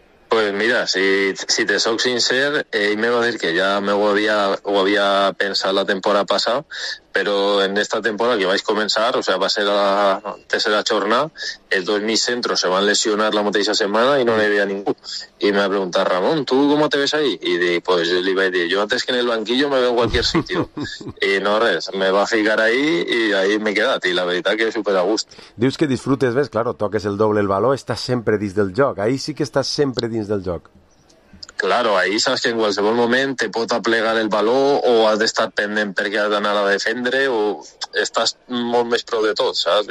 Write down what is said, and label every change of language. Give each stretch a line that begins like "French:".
Catalan: Pues mira, si te soc sincer, ell me va dir que ja ho havia pensat la temporada passada, però en esta temporada que vaig començar, o sea, va ser la tercera jornada, els dos mig centros se van lesionar la mateixa setmana i no n'hi havia ningú. I me va preguntar, Ramon, tu com te ves ahí? I dic, pues jo li vaig dir, jo
Spanish: antes que en el banquillo me veo en cualquier sitio.
Catalan: I no res, me va ficar ahí i ahí m'he quedat. I la veritat que és super a gust. Dius que disfrutes més, claro, toques el doble el valor, estàs sempre dins del joc. Ahí sí que estàs sempre dins del joc. Claro, ahí sabes que en qualsevol moment te pot aplegar el baló o has d'estar pendent perquè has d'anar a defendre o estàs molt més prou de tot, saps?